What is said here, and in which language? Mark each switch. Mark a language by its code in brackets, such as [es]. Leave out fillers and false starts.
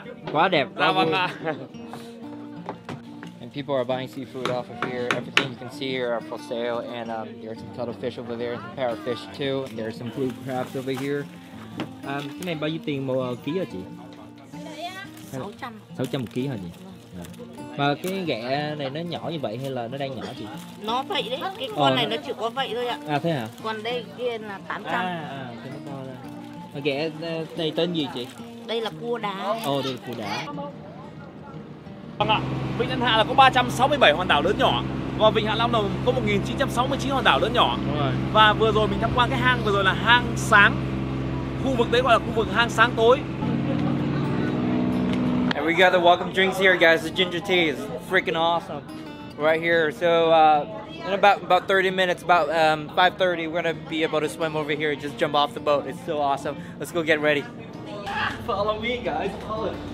[en] And people are buying seafood off of here. Everything you can see here are for sale, and there's some cuttlefish over there, some parrotfish too. And there's some blue crabs over here. [vi] Cái này bao nhiêu tiền một ký hả chị? 600 một ký hả chị? Mà cái ghẹ này nó nhỏ như vậy hay là nó đang nhỏ chị? Nó vậy đấy, cái con này nó chỉ có vậy thôi ạ. À thế hả? Còn đây kia là 800. Ghẹ này tên gì chị? Đây là cua đá. Ồ, đây là cua đá. Vâng ạ, Vịnh Nhân Hạ là có 367 hòn đảo lớn nhỏ. Và Vịnh Hạ Long là có 1969 hòn đảo lớn nhỏ. Đúng rồi. Và vừa rồi mình tham quan cái hang, vừa rồi là hang sáng. Khu vực đấy gọi là khu vực hang sáng tối. [en] And we got the welcome drinks here guys, the ginger tea is freaking awesome. Right here, so in about 30 minutes, about 5:30, we're gonna be able to swim over here and just jump off the boat. It's so awesome. Let's go get ready. Follow me, guys. Follow.